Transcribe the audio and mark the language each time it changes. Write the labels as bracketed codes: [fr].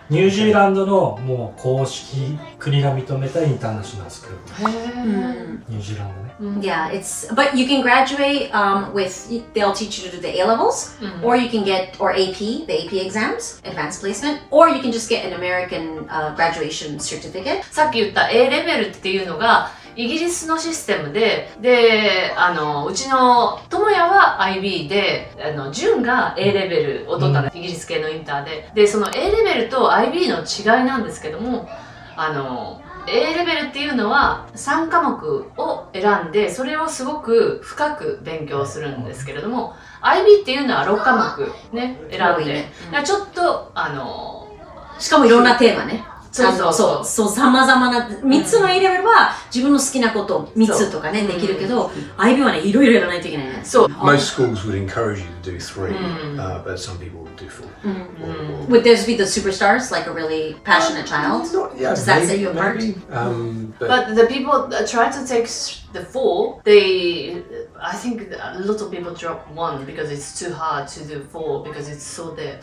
[ja] New Zealand のもう公式、国が認めたインターナショナルスクール。New Zealand ね。 [en] Yeah, it's, but you can graduate with, they'll teach you to do the A-levels, or you can get, or AP, the AP exam. Advanced placement, or you can just get an American graduation certificate. [ja] さっき言った A レベルっていうのがイギリスのシステムで、で、あのうちの智也は IB で、あのジュンが A レベルを取ったの、イギリス系のインターで、でその A レベルと IB の違いなんですけども、あの A レベルっていうのは3科目を選んで、それをすごく深く勉強するんですけれども。 IB っていうのは6科目ね、選んで、ね、ちょっとしかもいろんなテーマね、そうさまざまな3つの A レベルは自分の好きなことを3つとかねできるけど、IB はね、いろいろやらないといけないね。そう、 [en] Most schools would encourage you to do 3, but some people would do 4. Would those be the superstars, like a really passionate child? Does that set you apart? But the people that try to take the 4, I think a lot of people drop 1 because it's too hard to do 4 because it's so there.